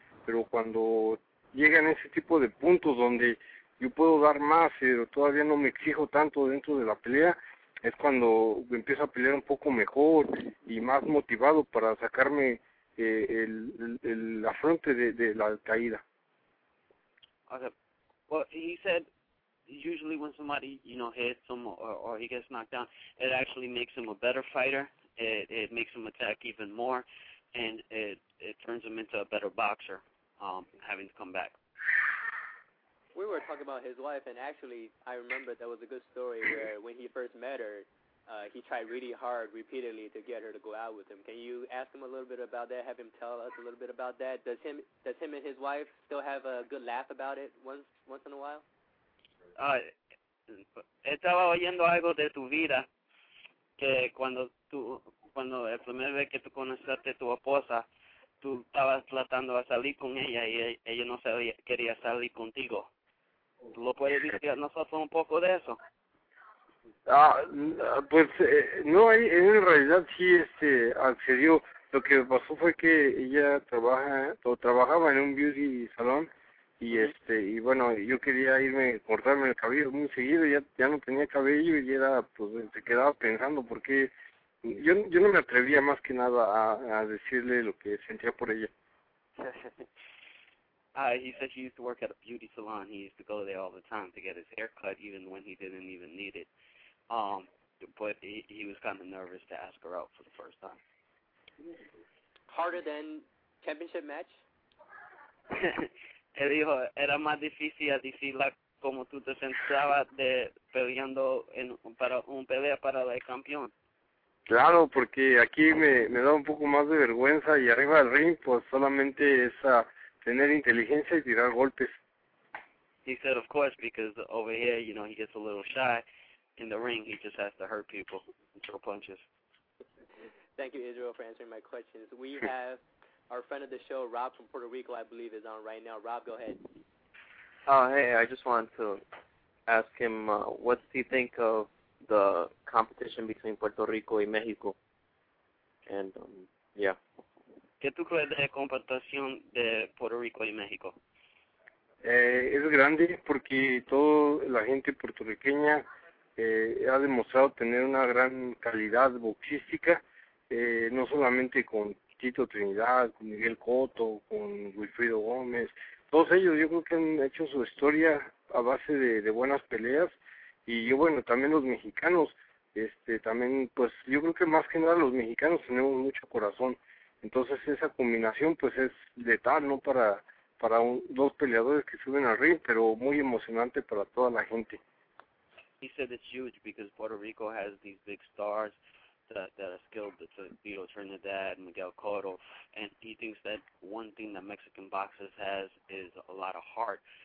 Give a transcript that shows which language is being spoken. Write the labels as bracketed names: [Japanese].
[Spanish] Pero cuando llegan ese tipo de puntos donde yo puedo dar más, pero todavía no me exijo tanto dentro de la pelea, es cuando empiezo a pelear un poco mejor y más motivado para sacarme la frente de la caída. [English] Okay. Well, he said usually when somebody, you know, hits him or he gets knocked down, it actually makes him a better fighter. It makes him attack even more, and it turns him into a better boxer, having to come back. We were talking about his wife, and actually I remember that was a good story where when he first met her, he tried really hard repeatedly to get her to go out with him. Can you ask him a little bit about that, have him tell us a little bit about that? Does him and his wife still have a good laugh about it once in a while? [Spanish] Estaba oyendo algo de tu vida, que cuando la primera vez que tú conociste tu esposa, tú estabas tratando de salir con ella y ella no sabía, quería salir contigo. ¿Lo puedes decir a nosotros un poco de eso? En realidad sí accedió. Lo que pasó fue que ella trabajaba en un beauty salón y bueno, yo quería irme a cortarme el cabello muy seguido, ya no tenía cabello y era, pues se quedaba pensando porque yo no me atrevía más que nada a decirle lo que sentía por ella. [English] He said she used to work at a beauty salon. He used to go there all the time to get his hair cut, even when he didn't even need it. But he was kind of nervous to ask her out for the first time. Harder than championship match? [Spanish] Él dijo, era más difícil decirla como tú te sentabas de peleando para un pelea para el campeón. Claro, porque aquí me da un poco más de vergüenza y arriba del ring, pues solamente esa tener inteligencia y tirar golpes. [English] He said, of course, because over here, you know, he gets a little shy. In the ring, he just has to hurt people and throw punches. Thank you, Israel, for answering my questions. We have our friend of the show, Rob from Puerto Rico, I believe, is on right now. Rob, go ahead. Hey, I just wanted to ask him, what does he think of the competition between Puerto Rico and Mexico? And, yeah. [Spanish] ¿Qué tú crees de la competición de Puerto Rico y México? Es grande porque toda la gente puertorriqueña ha demostrado tener una gran calidad boxística, no solamente con Tito Trinidad, con Miguel Cotto, con Wilfrido Gómez. Todos ellos yo creo que han hecho su historia a base de buenas peleas. Y yo, bueno, también los mexicanos, también, pues yo creo que más que nada los mexicanos tenemos mucho corazón. Entonces esa combinación pues es letal, ¿no? Para dos peleadores que suben al ring, pero muy emocionante para toda la gente. [English] He said it's huge because Puerto Rico has these big stars that are skilled, Tito Trinidad, Miguel Cotto, and he thinks that one thing that Mexican boxers has is a lot of heart.